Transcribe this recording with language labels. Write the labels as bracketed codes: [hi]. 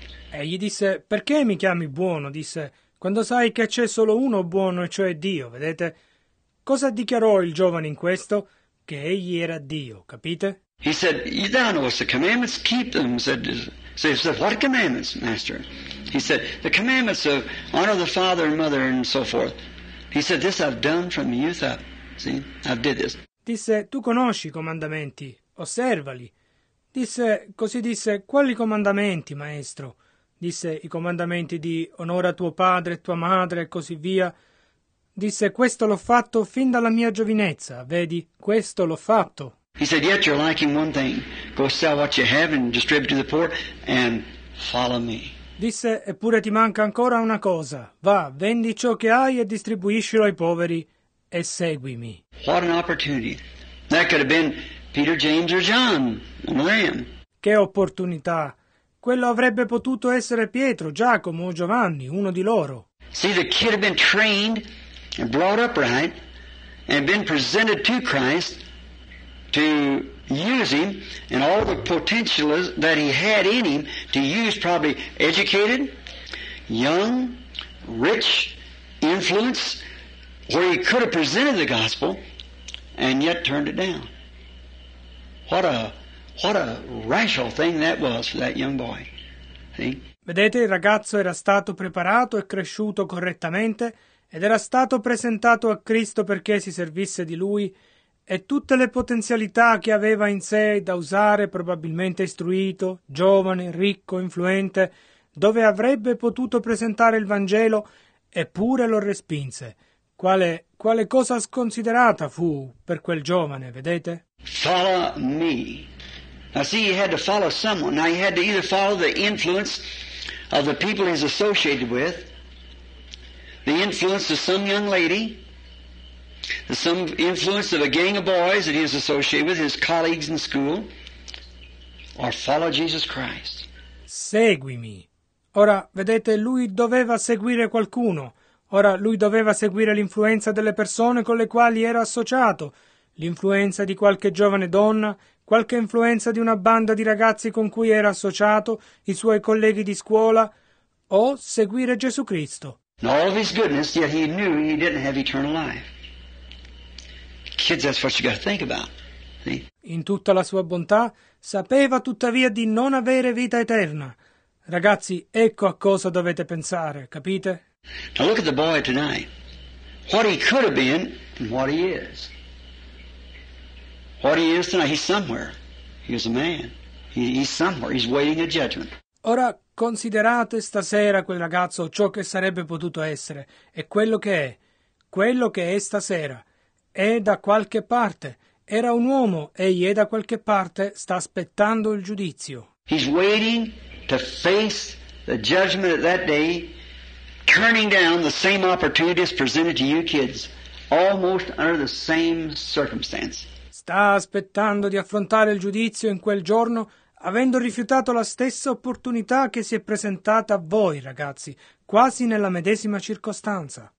[it] E gli disse: "Perché mi chiami buono?" disse, "quando sai che c'è solo uno buono e cioè Dio." Vedete? Cosa dichiarò il giovane in questo? Che egli era Dio, capite? [en] He said, "Thou knowest the commandments, keep them." He said, "What commandments, master?" He said, "The commandments of honor the father and mother and so forth." He said, "This I've done from youth up." See, I've did this. [it] Disse, "Tu conosci i comandamenti, osservali." Disse, così disse, "Quali comandamenti, maestro?" Disse, "I comandamenti di onora tuo padre e tua madre e così via." Disse, "Questo l'ho fatto fin dalla mia giovinezza, vedi, questo l'ho fatto." [en] He said, "Yet you're lacking one thing. Go sell what you have and distribute to the poor and follow me." [it] Disse, "Eppure ti manca ancora una cosa. Va, vendi ciò che hai e distribuiscilo ai poveri e seguimi." [en] What an opportunity. That could have been Peter, James or John, one of them. [it] Che opportunità. Quello avrebbe potuto essere Pietro, Giacomo o Giovanni, uno di loro. [en] See, the kid had been trained and brought up right, and been presented to Christ to use him and all the potential that he had in him to use, probably educated, young, rich, influence, where he could have presented the gospel and yet turned it down. What a rational thing that was for that young boy. See? [it] Vedete, il ragazzo era stato preparato e cresciuto correttamente ed era stato presentato a Cristo perché si servisse di lui, e tutte le potenzialità che aveva in sé da usare, probabilmente istruito, giovane, ricco, influente, dove avrebbe potuto presentare il Vangelo, eppure lo respinse. Quale cosa sconsiderata fu per quel giovane, vedete? [en] Follow me. Now see, he had to follow someone. Now he had to either follow the influence of the people he's associated with, the influence of some young lady, some influence of a gang of boys that he is associated with, his colleagues in school, or follow Jesus Christ. [it] Seguimi. Ora, vedete, lui doveva seguire qualcuno. Ora, lui doveva seguire l'influenza delle persone con le quali era associato, l'influenza di qualche giovane donna, qualche influenza di una banda di ragazzi con cui era associato, i suoi colleghi di scuola, o seguire Gesù Cristo. [en] In all of his goodness, yet he knew he didn't have eternal life. Kids, that's what you got to think about. See? [it] In tutta la sua bontà, sapeva tuttavia di non avere vita eterna. Ragazzi, ecco a cosa dovete pensare, capite? [en] Now look at the boy tonight. What he could have been and what he is. What he is tonight, he's somewhere. He's a man. He's somewhere. He's waiting a judgment. [it] Ora, considerate stasera quel ragazzo ciò che sarebbe potuto essere e quello che è. Quello che è stasera. È da qualche parte. Era un uomo. Egli è da qualche parte. Sta aspettando il giudizio. [en] He's waiting to face the judgment of that day, turning down the same opportunities presented to you kids, almost under the same circumstance. [it] Sta aspettando di affrontare il giudizio in quel giorno, avendo rifiutato la stessa opportunità che si è presentata a voi, ragazzi, quasi nella medesima circostanza.